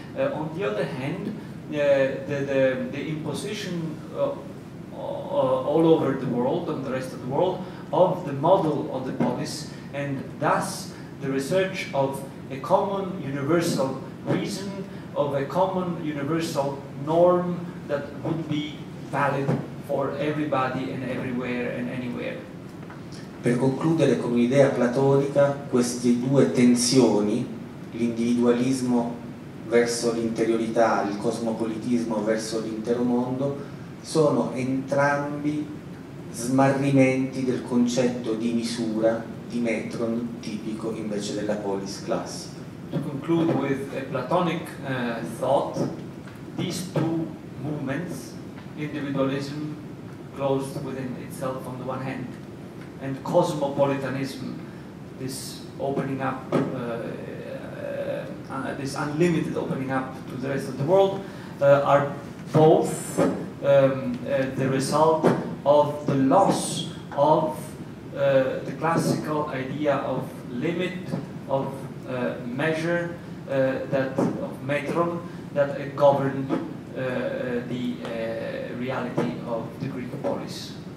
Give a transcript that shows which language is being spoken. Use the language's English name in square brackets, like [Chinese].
[English] On the other hand, the imposition all over the world, on the rest of the world, of the model of the polis, and thus the research of a common universal reason, of a common universal norm that would be valid for everybody and everywhere and anywhere. [Italian] Per concludere con un'idea platonica, queste due tensioni, l'individualismo verso l'interiorità, il cosmopolitismo verso l'intero mondo, sono entrambi smarrimenti del concetto di misura, di metron, tipico invece della polis classica. [English] To conclude with a Platonic thought, these two movements, individualism closed within itself on the one hand, and cosmopolitanism, this opening up, this unlimited opening up to the rest of the world, are both the result of the loss of the classical idea of limit, of measure, that of metron, that governed the reality of the Greek polis.